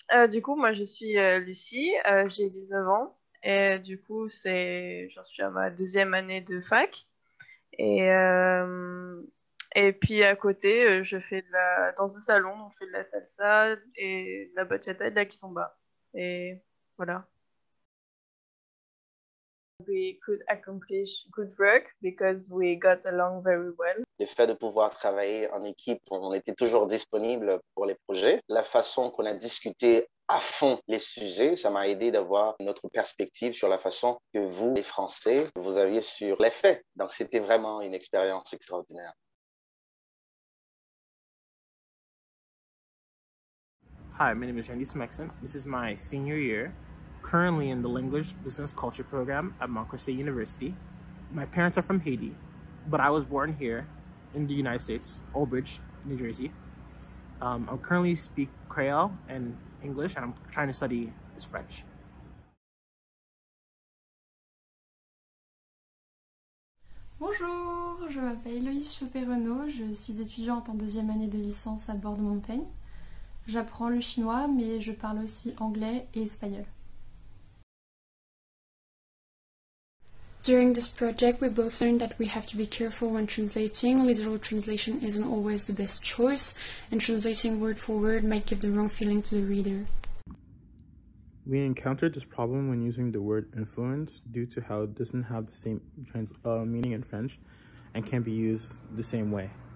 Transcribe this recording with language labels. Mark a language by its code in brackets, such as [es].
[fr] Du coup, moi je suis Lucie, j'ai 19 ans, et du coup, j'en suis à ma deuxième année de fac. Et puis à côté, je fais de la danse de salon, donc je fais de la salsa et de la bachata et de la kizomba. Et voilà. [en] We could accomplish good work because we got along very well. [fr] Le fait de pouvoir travailler en équipe, on était toujours disponible pour les projets. La façon qu'on a discuté à fond les sujets, ça m'a aidé d'avoir notre perspective sur la façon que vous, les Français, vous aviez sur les faits. Donc c'était vraiment une expérience extraordinaire. [en] Hi, my name is Randy Smexon. This is my senior year, currently in the Language Business Culture Program at Montclair State University. My parents are from Haiti, but I was born here in the United States, Old Bridge, New Jersey. I currently speak Creole and English, and I'm trying to study French. [fr] Bonjour, je m'appelle Eloïse Chopé-Renaud. Je suis étudiante en deuxième année de licence à Bordeaux Montaigne. J'apprends le chinois, mais je parle aussi anglais et espagnol. [en] During this project, we both learned that we have to be careful when translating. Literal translation isn't always the best choice, and translating word for word might give the wrong feeling to the reader. We encountered this problem when using the word influence due to how it doesn't have the same meaning in French and can be used the same way.